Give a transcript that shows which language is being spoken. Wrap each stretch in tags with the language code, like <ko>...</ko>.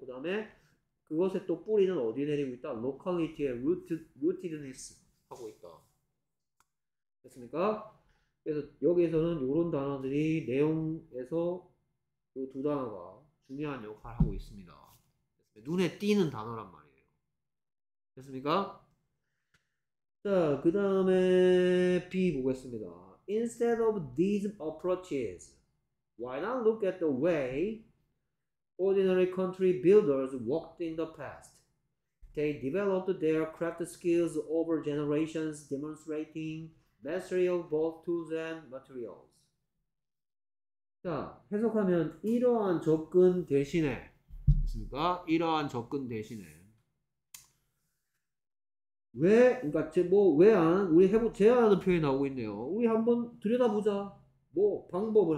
<ko>그 다음에 그것의 또 뿌리는 어디 내리고 있다? 로컬리티의 루티드니스 하고 있다. 됐습니까? 그래서 여기에서는 이런 단어들이 내용에서 이 두 단어가 중요한 역할을 하고 있습니다. 눈에 띄는 단어란 말이에요. 됐습니까? 자, 그 다음에 B 보겠습니다.</ko> <en>Instead of these approaches, why not look at the way ordinary country builders worked in the past? They developed their craft skills over generations, demonstrating mastery of both tools and materials.</en> <ko>자, 해석하면 이러한 접근 대신에, 됐습니까? 이러한 접근 대신에. 왜, 그러니까 우리 해보 제안하는 표현이 나오고 있네요. 우리 한번 들여다보자. 뭐 방법을</ko>